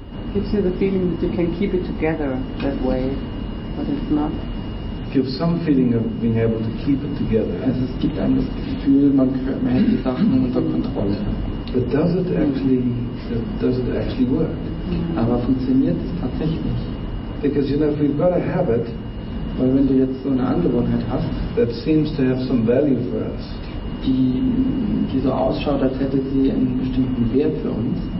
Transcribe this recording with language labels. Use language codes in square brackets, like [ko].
[en] gives you the feeling that you can keep it together that way, but it's not. Gives some feeling of being able to keep it together. [de] Also es gibt einem das Gefühl, man hält die Sachen unter Kontrolle. [en] But does it actually work? [de] Aber funktioniert es tatsächlich? [en] Because you know, if you've got a habit, [de] weil wenn du jetzt so eine Angewohnheit hast, [en] that seems to have some value for us, [de] die so ausschaut, als hätte sie einen bestimmten Wert für uns,